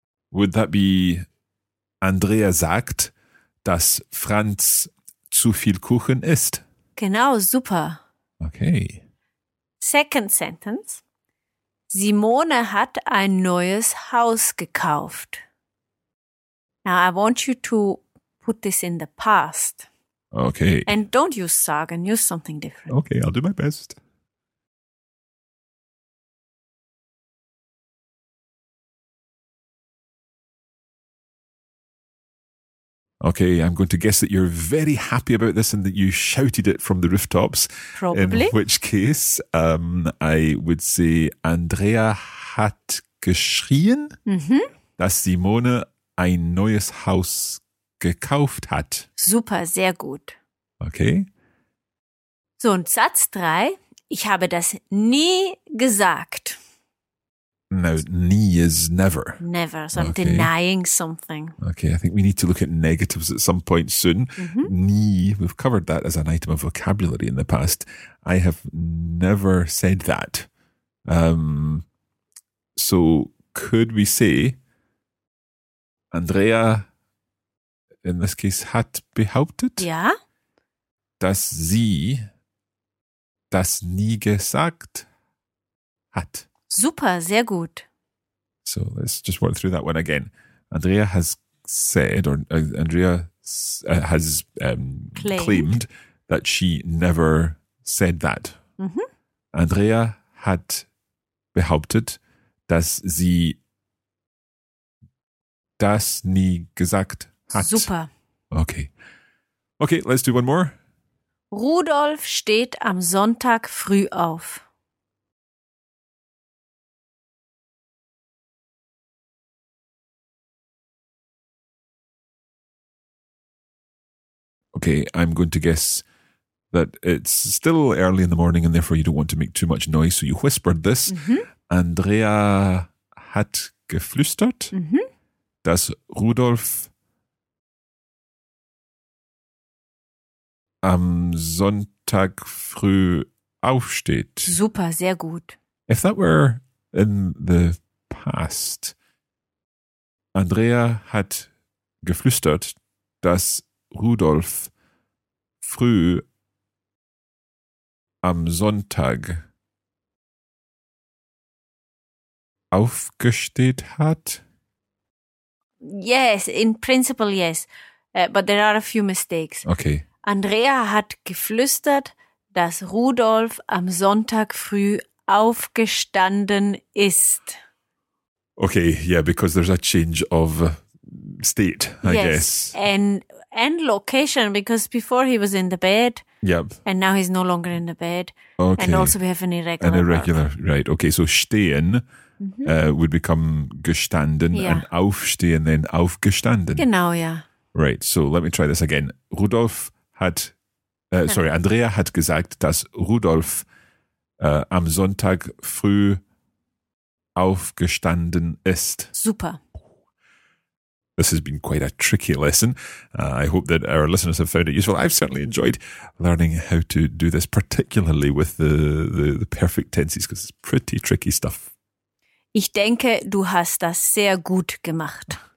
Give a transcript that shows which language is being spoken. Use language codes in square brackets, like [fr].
[en] Would that be [de] Andrea sagt, dass Franz zu viel Kuchen isst? Genau, super. [en] Okay. Second sentence. [de] Simone hat ein neues Haus gekauft. [en] Now, I want you to put this in the past. Okay. And don't use sagen, use something different. Okay, I'll do my best. Okay, I'm going to guess that you're very happy about this and that you shouted it from the rooftops. Probably. In which case, I would say [de] Andrea hat geschrien, dass Simone ein neues Haus gekauft hat. Super, sehr gut. [en] Okay. [de] So, und Satz 3, ich habe das nie gesagt. [en] No, nie is never. Never. So I'm denying something. Okay, I think we need to look at negatives at some point soon. Mm-hmm. Nie, we've covered that as an item of vocabulary in the past. I have never said that. So could we say Andrea, in this case, [de] hat behauptet? Ja. Dass sie das nie gesagt hat. Super, sehr gut. [en] So let's just work through that one again. Andrea has said, or Andrea has claimed that she never said that. Mm-hmm. [de] Andrea hat behauptet, dass sie das nie gesagt hat. Super. [en] Okay. Okay, let's do one more. [de] Rudolf steht am Sonntag früh auf. [en] Okay, I'm going to guess that it's still early in the morning and therefore you don't want to make too much noise, so you whispered this. Mm-hmm. [de] Andrea hat geflüstert, dass Rudolf am Sonntag früh aufsteht. Super, sehr gut. [en] If that were in the past, [de] Andrea hat geflüstert, dass Rudolf früh am Sonntag aufgesteht hat? [en] Yes, in principle yes. But there are a few mistakes. Okay. [de] Andrea hat geflüstert, dass Rudolf am Sonntag früh aufgestanden ist. [en] Okay, yeah, because there's a change of state, I guess. And location, because before he was in the bed. Yep. And now he's no longer in the bed. Okay. And also we have an irregular. An irregular, right. Okay, so stehen would become gestanden. Yeah. And aufstehen then aufgestanden. [de] Genau, yeah. [en] Right, so let me try this again. [de] Rudolf hat, Andrea hat gesagt, dass Rudolf am Sonntag früh aufgestanden ist. Super. [en] This has been quite a tricky lesson. I hope that our listeners have found it useful. I've certainly enjoyed learning how to do this, particularly with the perfect tenses, because it's pretty tricky stuff. [de] Ich denke, du hast das sehr gut gemacht.